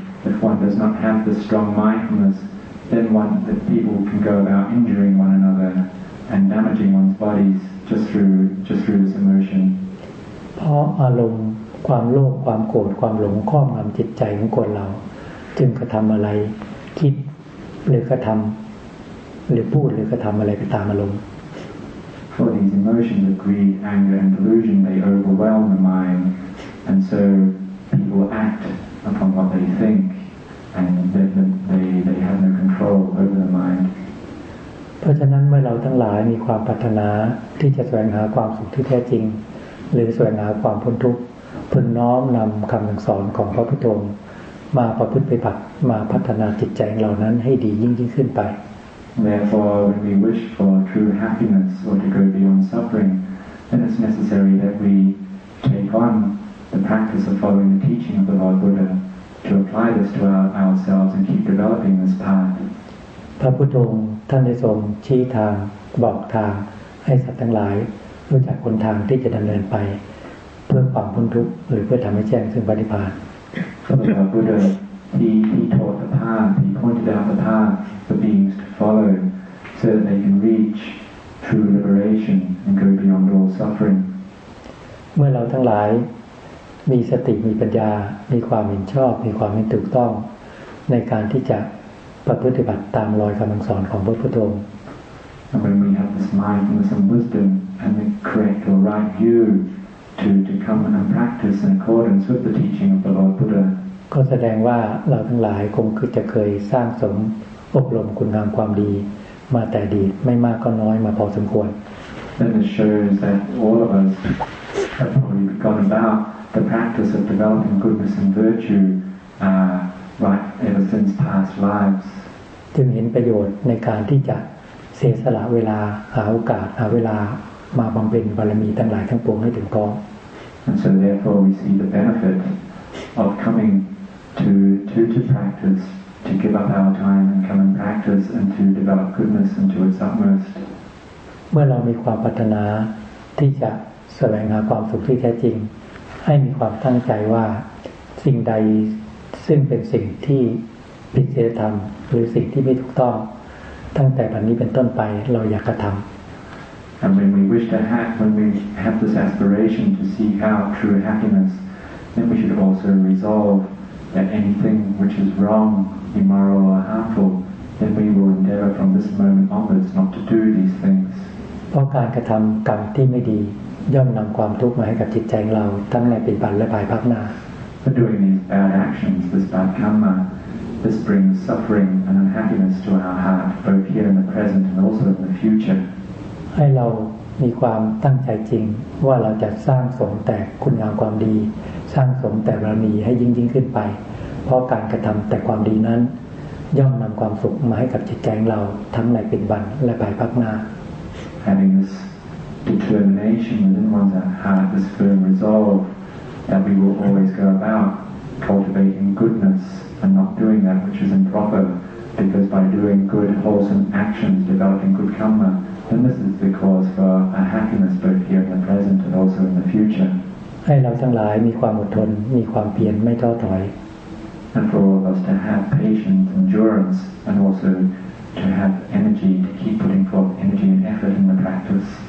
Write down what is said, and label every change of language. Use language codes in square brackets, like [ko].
[en] If one does not have the strong mindfulness, then one the people can go about injuring one another and damaging one's bodies just through this emotion. [th] เพราะอารมณ์ความโลภความโกรธความหลงครอบงำจิตใจของคนเราจึงกระทำอะไรคิดหรือกระทำหรือพูดหรือกระทำอะไรก็ตามอารมณ์ [en] For these emotions of greed, anger, and delusion, they overwhelm the mind, and so people act upon what they think, and they have no control over the mind. [th] เพราะฉะนั้นเมื่อเราทั้งหลายมีความปรารถนาที่จะแสวงหาความสุขที่แท้จริงหรือแสวงหาความพ้นทุกข์พึงน้อมนำคำสอนของพระพุทธองค์มาประพฤติปฏิบัติมาพัฒนาจิตใจของเรานั้นให้ดียิ่งขึ้นไป [en] Therefore, when we wish for true happiness or to go beyond suffering, then it's necessary that we take on the practice of following the teaching of the Lord Buddha to apply this to ourselves and keep developing this path. [th] พระพุทธองค์ท่านได้ทรงชี้ทางบอกทางให้สัตว์ทั้งหลายรู้จักหนทางที่จะดำเนินไปเพื่อความพ้นทุกข์หรือเพื่อทำให้แจ้งซึ่งนิพพาน [en] So the Buddha, he taught the path, he pointed out the path for beings to follow so that they can reach true liberation and go beyond all suffering. [th] เมื่อเราทั้งหลายมีสติมีปัญญามีความเห็นชอบมีความเห็นถูกต้องในการที่จะประพฤติบัติตามรอยคำสอนของพระพุทธองค์ [en] And when we have this mindfulness and wisdom and the correct or right view,to come and practice in accordance with the teaching of the Lord Buddha. [th] ก็แสดงว่าเราทั้งหลายคงจะเคยสร้างสมอบรมคุณงามความดีมาแต่อดีตไม่มากก็น้อยมาพอสมควร [en] Then it shows that all of us have probably gone about the practice of developing goodness and virtue right ever since past lives. [th] จึงเห็นประโยชน์ในการที่จะเสียสละเวลาหาโอกาสหาเวลามาบำเพ็ญบารมีทั้งหลายทั้งปวงให้ถึงกอง [en] And so therefore we see the benefit of coming to practice, to give up our time and come and practice and to develop goodness into its utmost. [th] มื่อเรามีความปรารถนาที่จะแสวงหาความสุขที่แท้จริงให้มีความตั้งใจว่าสิ่งใดซึ่งเป็นสิ่งที่ผิดศีลธรรมหรือสิ่งที่ไม่ถูกต้องตั้งแต่บัดนี้เป็นต้นไปเราอยากกระทำ [en] And when we wish to have, when we have this aspiration to seek out true happiness, then we should also resolve that anything which is wrong, immoral, or harmful, then we will endeavor from this moment onwards not to do these things. [th] เพราะการกระทำกรรมที่ไม่ดีย่อมนำความทุกข์มาให้กับจิตใจของเราทั้งในปัจจุบันและภายภาคหน้า [en] But doing these bad actions, this bad karma, this brings suffering and unhappiness to our heart, both here in the present and also in the future. [th] ให้เรามีความตั้งใจจริงว่าเราจะสร้างสมแต่คุณงามความดีสร้างสมแต่บารมีให้ยิ่งยิ่งขึ้นไปเพราะการกระทำแต่ความดีนั้นย่อมนำความสุขมาให้กับจิตใจของเราทั้งในปัจจุบันและภายภาคหน้า [en] Having this determination within one's heart, this firm resolve that we will always go about cultivating goodness and not doing that which is improper, because by doing good wholesome actions, developing good karma. And this is the cause for a happiness both here in the present and also in the future. [th] ให้เราทั้งหลายมีความอดทนมีความเพียรไม่ท้อถอย [en] And for all of us to have patience, endurance, and also to have energy to keep putting forth energy and effort in the practice.